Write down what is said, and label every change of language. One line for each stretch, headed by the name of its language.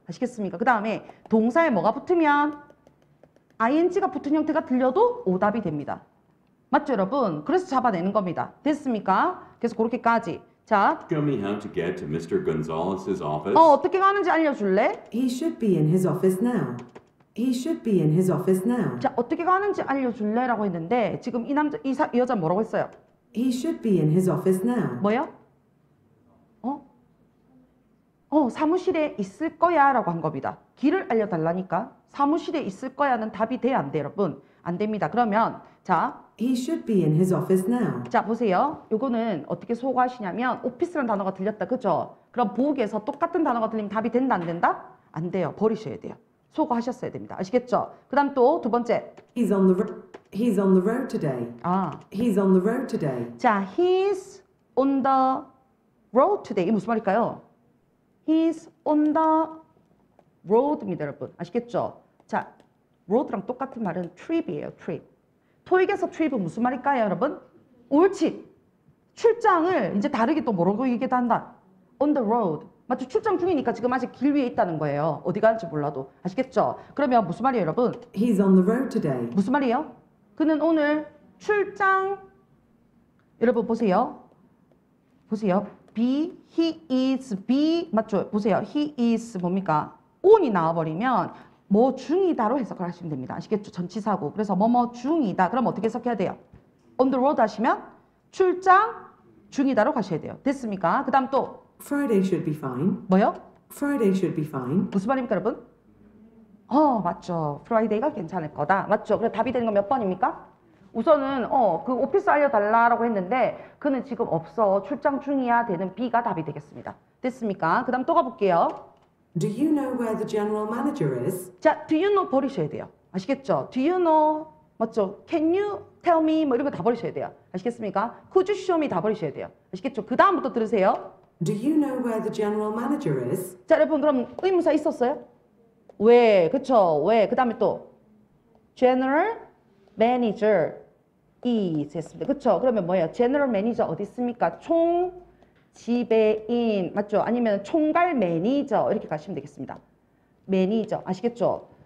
Korean: 아시겠습니까? 그 다음에 동사에 뭐가 붙으면 ing가 붙은 형태가 들려도 오답이 됩니다. 맞죠 여러분? 그래서 잡아내는 겁니다. 됐습니까? 그래서 그렇게까지. 자,
English: Tell me how to get to Mr. Gonzalez's office.
Korean: 어떻게 가는지 알려줄래?
English: He should be in his office now. He should be in his office now.
Korean: 자, 어떻게 가는지 알려줄래라고 했는데 지금 이 남자 이 여자 뭐라고 했어요?
English: He should be in his office now.
Korean: 뭐요? 사무실에 있을 거야라고 한 겁니다. 길을 알려달라니까 사무실에 있을 거야는 답이 돼야 안 돼, 여러분. 안 됩니다. 그러면 자.
English: He should be in his office now.
Korean: 자, 보세요. 요거는 어떻게 소화하시냐면 오피스라는 단어가 들렸다. 그죠? 그럼 보기에서 똑같은 단어가 들리면 답이 된다 안 된다? 안 돼요. 버리셔야 돼요. 소화하셨어야 됩니다. 아시겠죠? 그다음 또 두 번째.
English: He's on the road today. 아. He's on the road today. 자, he's on the road today.
Korean: 이게 무슨 말일까요?
English: He's on the road입니다, 여러분.
Korean: 아시겠죠? 자, road랑 똑같은 말은 trip이에요.
English: trip.
Korean: 토익에서 트립은 무슨 말일까요 여러분? 옳지! 출장을 이제 다르게 또 뭐라고 얘기도 한다?
English: On the road. 맞죠?
Korean: 출장 중이니까 지금 아직 길 위에 있다는 거예요. 어디 갈지 몰라도. 아시겠죠? 그러면 무슨 말이에요 여러분?
English: He's on the road today.
Korean: 무슨 말이에요? 그는 오늘 출장 여러분 보세요. 보세요.
English: Be, he is, be 맞죠?
Korean: 보세요.
English: He is
Korean: 뭡니까? on이 나와버리면 뭐 중이다로 해석을 하시면 됩니다. 아시겠죠? 전치사고. 그래서 뭐뭐 중이다. 그럼 어떻게 해석해야 돼요? On the road 하시면 출장 중이다로 가셔야 돼요. 됐습니까? 그 다음 또
English: Friday should be fine.
Korean: 뭐요?
English: Friday should be fine.
Korean: 무슨 말입니까 여러분? 맞죠. Friday가 괜찮을 거다. 맞죠? 그럼 답이 되는 건 몇 번입니까? 우선은 그 오피스 알려달라고 했는데 그는 지금 없어. 출장 중이야 되는 B가 답이 되겠습니다. 됐습니까? 그 다음 또 가볼게요.
English: Do you know where the general manager is?
Korean: 자,
English: do you know
Korean: 버리셔야 돼요. 아시겠죠?
English: Do you know, 맞죠? Can you tell me?
Korean: 뭐 이런 거 다 버리셔야 돼요. 아시겠습니까?
English: Could you show me?
Korean: 다 버리셔야 돼요. 아시겠죠? 그 다음부터 들으세요.
English: Do you know where the general manager is?
Korean: 자, 여러분 그럼 의문사 있었어요? 왜? 그렇죠? 왜? 그 다음에 또 general manager is 했습니다. 그렇죠? 그러면 뭐예요? general manager 어디 있습니까? 총 지배인 맞죠? 아니면 총괄 매니저 이렇게 가시면 되겠습니다. 매니저 아시겠죠?